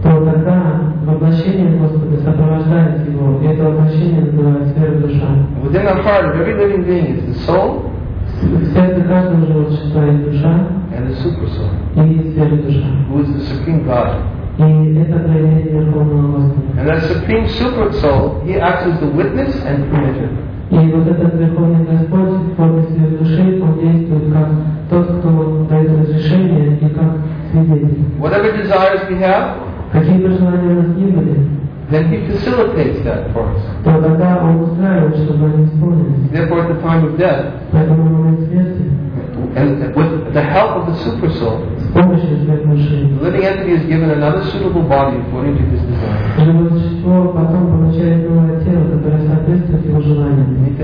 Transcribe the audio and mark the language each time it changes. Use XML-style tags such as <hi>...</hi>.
<en>Within the heart of every living being is the soul and the super soul, who is the supreme God. And that supreme super soul, he acts as the witness and creator.</en> <ru>И вот этот Верховный Господь в форме Святой Души, Он действует как тот, кто дает разрешение и как свидетель.</ru> <en>Whatever desires we have,</en> <ru>какие бы желания у нас ни были,</ru> <en>then He facilitates that for us.</en> <ru>То тогда Он устраивает, чтобы они исполнились.</ru> <en>Therefore, at the time of death,</en> <ru>поэтому во время смерти,</ru> <en>and with the help of the super soul,</en> <ru>с помощью Святой Души,</ru> <en>the living entity is given another suitable body according to His desire.</en> <ru>И вот что потом получает новое тело, которое соответствует Его желаниям.</ru>